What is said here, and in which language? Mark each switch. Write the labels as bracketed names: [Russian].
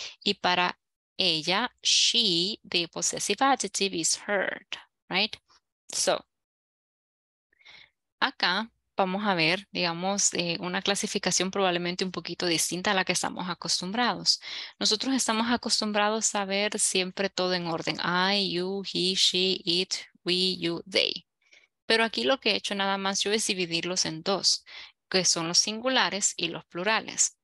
[Spanish] Y para ella, [English] she, the possessive adjective is her. Right? [Spanish] So, acá vamos a ver, digamos, una clasificación probablemente un poquito distinta a la que estamos acostumbrados. Nosotros estamos acostumbrados a ver siempre todo en orden. [English] I, you, he, she, it, we, you, they. [Spanish] Pero aquí lo que he hecho nada más yo es dividirlos en dos, que son los singulares y los plurales.